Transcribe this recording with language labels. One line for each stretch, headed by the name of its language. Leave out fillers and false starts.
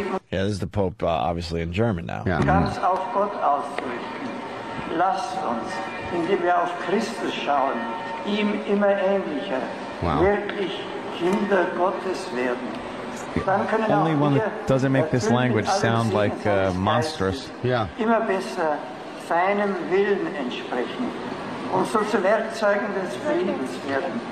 English: Yeah, this is the Pope, obviously in German now.
German: Ganz auf Gott ausrichten. Lasst uns, indem wir auf Christus schauen, ihm immer ähnlicher, wirklich Kinder Gottes werden. Dann können wir
English: only one that doesn't make this language sound like monstrous. Yeah.
German: Immer besser seinem Willen entsprechen und so zu Werkzeugen des Friedens werden.